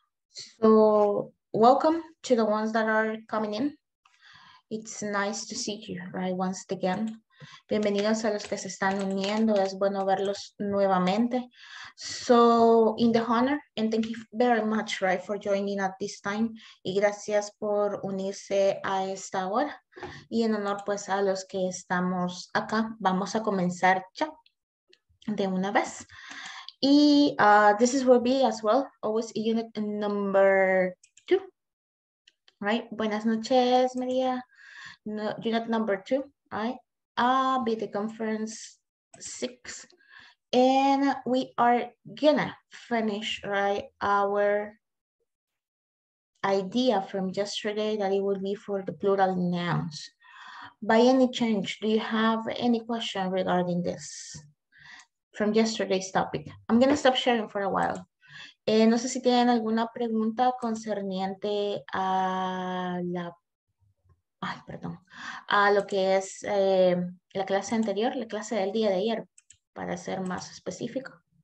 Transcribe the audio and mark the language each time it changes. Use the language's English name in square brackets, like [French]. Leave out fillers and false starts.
[English] So, welcome to the ones that are coming in. It's nice to see you, right, once again. [Spanish] Bienvenidos a los que se están uniendo. Es bueno verlos nuevamente. [English] So, in the honor, and thank you very much, right, for joining at this time. [Spanish] Y gracias por unirse a esta hora. Y en honor, pues, a los que estamos acá, vamos a comenzar ya de una vez. [English] Y this is will be as well, always unit number two. Right? [Spanish] Buenas noches, [English] María. No, unit number two, right? I'll be the conference six. And we are gonna finish, right, our idea from yesterday that it would be for the plural nouns. By any chance, do you have any question regarding this? From yesterday's topic. I'm gonna stop sharing for a while. [Spanish] No sé si tienen alguna pregunta concerniente a la, ay, perdón, a lo que es la clase anterior, la clase del día de ayer, para ser más específico.